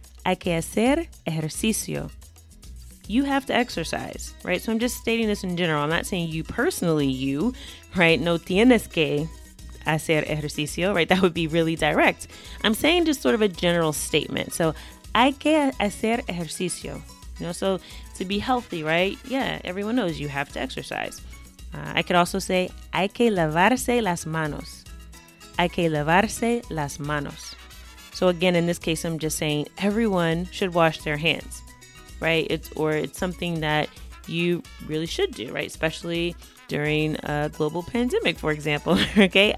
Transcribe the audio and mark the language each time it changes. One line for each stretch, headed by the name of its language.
Spanish: Hay que hacer ejercicio.
English: You have to exercise, right? So I'm just stating this in general. I'm not saying you personally, you, right?
Spanish: No tienes que hacer ejercicio, right?
English: That would be really direct. I'm saying just sort of a general statement.
Spanish: So hay que hacer ejercicio.
English: You know, so to be healthy, right? Yeah, everyone knows you have to exercise. I could also say,
Spanish: hay que lavarse las manos. Hay que lavarse las manos.
English: So again, in this case, I'm just saying everyone should wash their hands, right? It's something that you really should do, right? Especially during a global pandemic, for example, okay?